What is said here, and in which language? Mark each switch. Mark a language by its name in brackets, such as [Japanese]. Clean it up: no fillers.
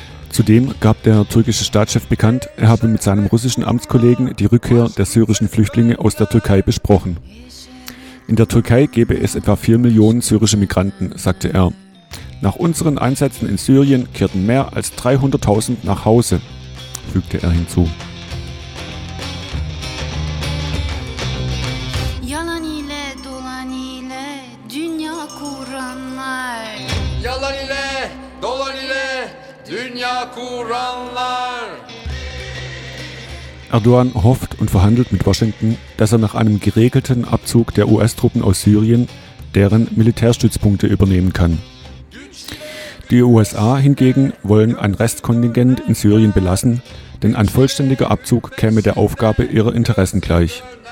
[German] Zudem gab der türkische Staatschef bekannt, er habe mit seinem russischen Amtskollegen die Rückkehr der syrischen Flüchtlinge aus der Türkei besprochen. In der Türkei gäbe es etwa 4 Millionen syrische Migranten, sagte er. Nach unseren Einsätzen in Syrien kehrten mehr als 300.000 nach Hause, fügte er hinzu. [Turkish] Yalan ile dolan ile dünya kuranlar. Yalan ile dolan ile dünya kuranlar. [German] Erdogan hofft und verhandelt mit Washington, dass er nach einem geregelten Abzug der US-Truppen aus Syrien deren Militärstützpunkte übernehmen kann. Die USA hingegen wollen ein Restkontingent in Syrien belassen, denn ein vollständiger Abzug käme der Aufgabe ihrer Interessen gleich.